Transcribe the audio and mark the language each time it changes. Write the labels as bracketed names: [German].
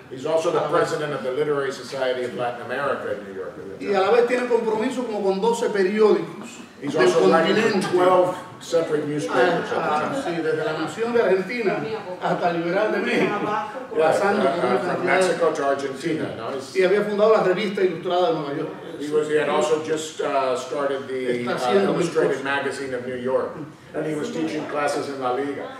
[English] He's also the president of the Literary Society of Latin America in New York. [Spanish] Y a la vez tiene compromiso como con 12 periódicos del continente. Sí, desde la Nación de Argentina hasta Liberal de México, pasando por una cantidad [English] de... Mexico to Argentina. [Spanish] Y había fundado la Revista Ilustrada de Nueva York. [English] He had also just started the Illustrated Magazine of New York. And he was teaching classes in La Liga.